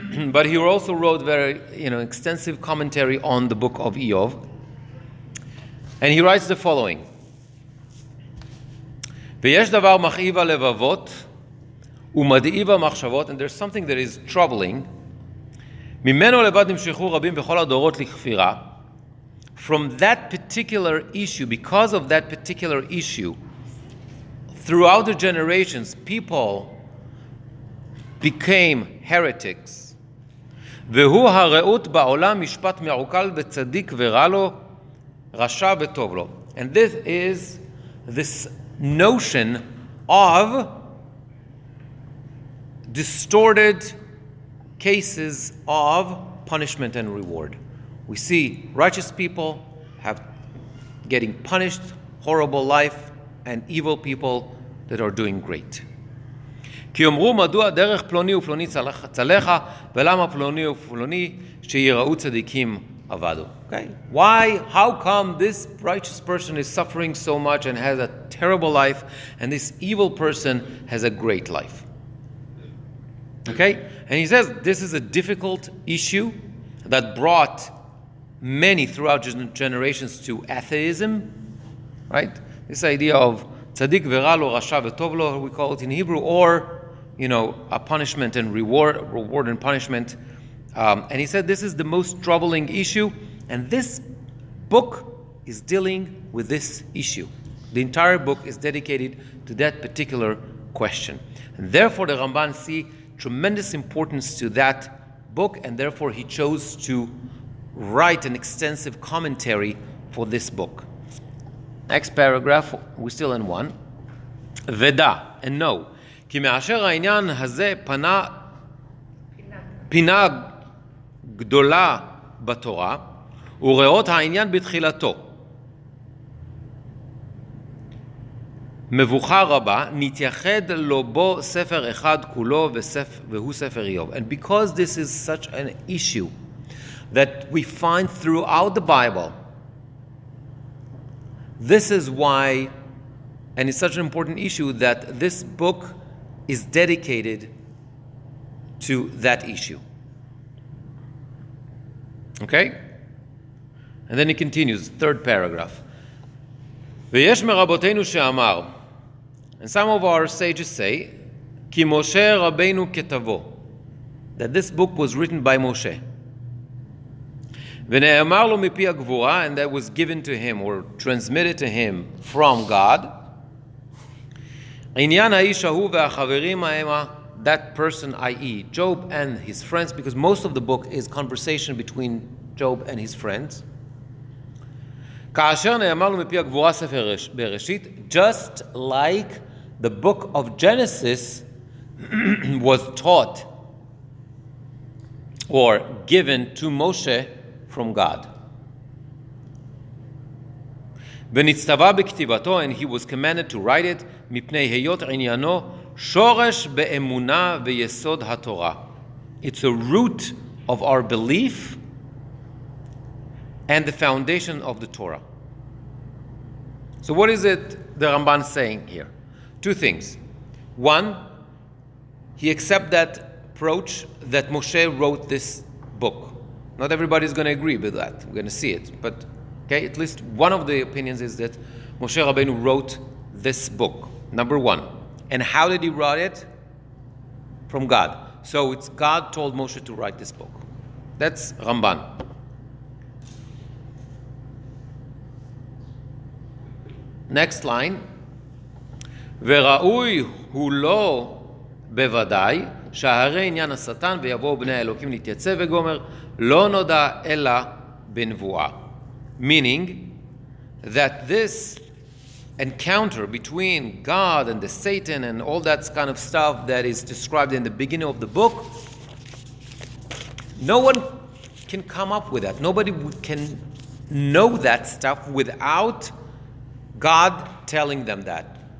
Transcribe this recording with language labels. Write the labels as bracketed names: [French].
[English] But he also wrote very, you know, extensive commentary on the book of Iyov. And he writes the following. [Hebrew] ויש דבר מכאיב הלבבות ומדאיב המחשבות, [English] and there's something that is troubling. [Hebrew] ממנו לבד נמשכו רבים בכל הדורות לכפירה. [English] From that particular issue, because of that particular issue, throughout the generations, people became heretics. [Hebrew] והוא הראות בעולם משפט מעוקל וצדיק ורע לו, רשע וטוב לו. [English] And this notion of distorted cases of punishment and reward. We see righteous people have getting punished, horrible life, and evil people that are doing great. [Hebrew] כי אמרו מדוע דרך פלוני ופלוני צלחה, ולמה פלוני ופלוני שיראו צדיקים avadu. [English] Okay, why? How come this righteous person is suffering so much and has a terrible life, and this evil person has a great life? Okay, and he says this is a difficult issue that brought many throughout generations to atheism, right? This idea of [Hebrew] tzadik v'ra lo, rasha v'tov lo, [English] we call it in Hebrew, or, you know, a punishment and reward and punishment. And he said this is the most troubling issue, and this book is dealing with this issue. The entire book is dedicated to that particular question. And therefore, the Ramban see tremendous importance to that book, and therefore he chose to write an extensive commentary for this book. Next paragraph, we're still in one. Veda, and no. [Hebrew] כי מאשר העניין הזה פנה פינה גדולה בתורה, וראות העניין בתחילתו. מבוכה רבה, נתייחד לו בו ספר אחד כולו, והוא ספר איוב. [English] And because this is such an issue that we find throughout the Bible, this is why, and it's such an important issue, that this book is dedicated to that issue. Okay? And then he continues, third paragraph. [Hebrew] ויש מרבותינו שאמר, [English] and some of our sages say, [Hebrew] כי משה רבינו כתבו, [English] that this book was written by Moshe. [Hebrew] ונאמר לו מפי הגבורה, [English] and that was given to him or transmitted to him from God. [Hebrew] עניין האיש ההוא והחברים האמה, [English] that person, i.e. Job and his friends, because most of the book is conversation between Job and his friends. [Hebrew] כאשר נאמר לו מפי הגבורה ספר בראשית, [English] just like the book of Genesis was taught or given to Moshe from God. [Hebrew] ונצטווה בכתיבתו, [English] and he was commanded to write it, [Hebrew] מפני היות עניינו שורש באמונה ויסוד התורה. [English] It's a root of our belief and the foundation of the Torah. So what is it the Ramban saying here? Two things. One, he accepts that approach that Moshe wrote this book. Not everybody is going to agree with that. We're going to see it. But okay, at least one of the opinions is that Moshe Rabbeinu wrote this book. Number one. And how did he write it? From God. So it's God told Moshe to write this book. That's Ramban. Next line. [Hebrew] וראוי הוא לא בוודאי שהרי עניין השטן ויבואו בני האלוקים להתייצב וגומר לא נודע אלא בנבואה. [English] Meaning that this encounter between God and the Satan and all that kind of stuff that is described in the beginning of the book, no one can come up with that. Nobody can know that stuff without God telling them that.